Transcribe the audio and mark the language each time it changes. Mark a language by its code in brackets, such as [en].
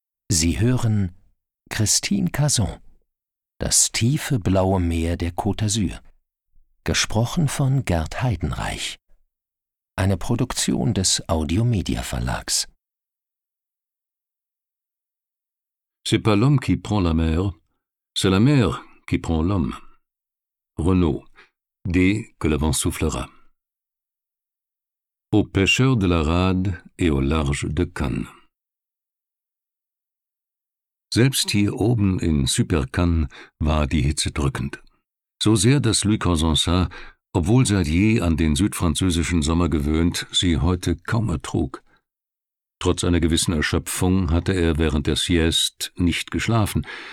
[de] Sie hören Christine Cason, das tiefe blaue Meer der Côte d'Azur, gesprochen von Gerd Heidenreich, eine Produktion des Audiomedia Verlags. [fr] C'est pas l'homme qui prend la mer, c'est la mer qui prend l'homme. Renaud, dès que le vent soufflera. Aux pêcheurs de la rade et au large de Cannes. [de] Selbst hier oben in Super-Cannes war die Hitze drückend. So sehr, dass Louis Cosensa, obwohl seit je an den südfranzösischen Sommer gewöhnt, sie heute kaum ertrug. Trotz einer gewissen Erschöpfung hatte er während der Sieste nicht geschlafen.